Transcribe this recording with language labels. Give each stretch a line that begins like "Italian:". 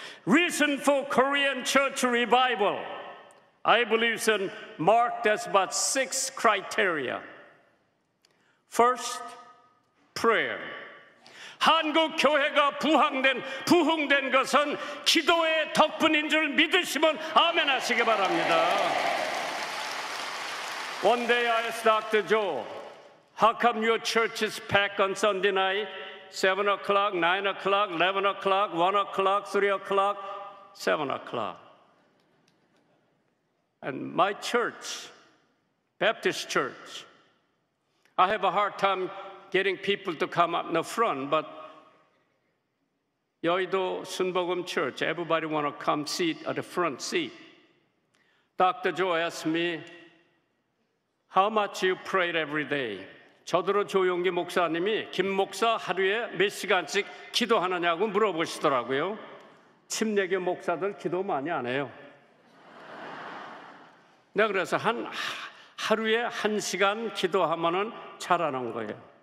English: Reason for Korean church revival, I believe, is marked as about six criteria. First, prayer.
Korean: 한국 교회가 부흥된 것은 기도의 덕분인 줄 믿으시면 아멘 하시기 바랍니다.
English: One day I asked Dr. Joe, how come your church is packed on Sunday night? 7 o'clock, 9 o'clock, 11 o'clock, 1 o'clock, 3 o'clock, 7 o'clock. And my church, Baptist church, I have a hard time getting people to come up in the front, but Yeouido Sunbogum Church, everybody want to come sit at the front seat. Dr. Joe asked me, how much you pray every day?
Korean: 저더러 조용기 목사님이 김 목사 하루에 몇 시간씩 기도하느냐고 물어보시더라고요. 침례교 목사들 기도 많이 안 해요. 내가 그래서 하루에 한 시간 기도하면 잘하는 거예요.